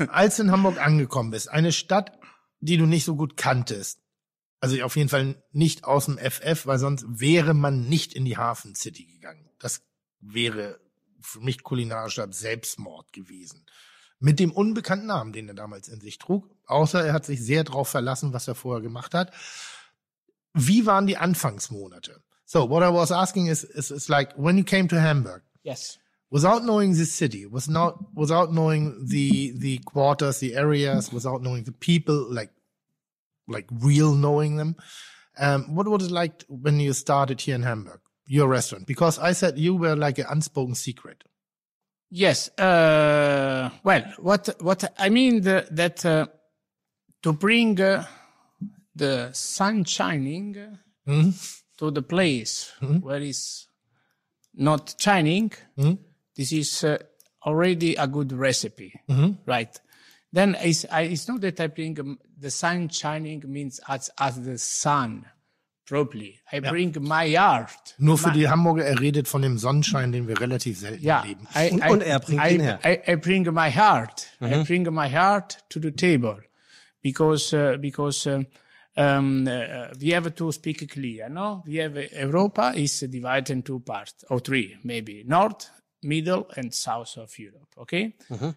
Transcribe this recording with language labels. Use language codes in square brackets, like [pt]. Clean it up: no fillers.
[de] Als du in Hamburg angekommen bist, eine Stadt, die du nicht so gut kanntest, also auf jeden Fall nicht aus dem FF, weil sonst wäre man nicht in die Hafen City gegangen. Das wäre für mich kulinarischer Selbstmord gewesen. Mit dem unbekannten Namen, den er damals in sich trug. Außer er hat sich sehr drauf verlassen, was er vorher gemacht hat. Wie waren die Anfangsmonate? [en] So, what I was asking is like, when you came to Hamburg. Yes. Without knowing the city, without knowing the quarters, the areas, without knowing the people, like real knowing them. What was it like when you started here in Hamburg, your restaurant? Because I said you were like an unspoken secret. Yes. Well, what I mean that to bring the sun shining to the place where it's not shining, this is already a good recipe, right? Then it's not that I bring the sun shining means as the sun. Probably. I bring my art. [de] Nur für die Hamburger, er redet von dem Sonnenschein, den wir relativ selten erleben. Und er bringt ihn her. [en] I bring my heart. Mm-hmm. I bring my heart to the table. Because we have to speak clear, no? We have Europa is divided in two parts, or three, maybe. North, middle, and south of Europe, okay? Mm-hmm.